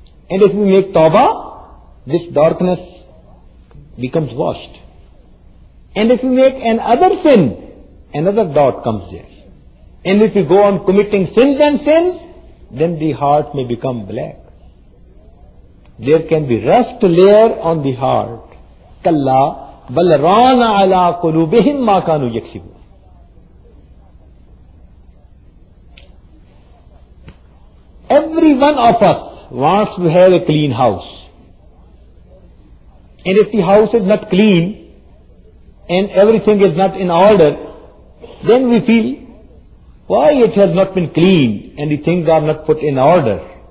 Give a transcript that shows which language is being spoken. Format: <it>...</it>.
<en>And if we make tawbah, this darkness becomes washed. And if we make another sin, another dot comes there. And if we go on committing sins and sins, then the heart may become black. There can be rust layer on the heart.</en> <ar>Kalla بَلْ رَانَ عَلَىٰ قُلُوبِهِمْ مَا كَانُوا يَكْسِبُونَ.</ar> <en>Every one of us wants to have a clean house. And if the house is not clean, and everything is not in order, then we feel, why it has not been clean, and the things are not put in order.</en>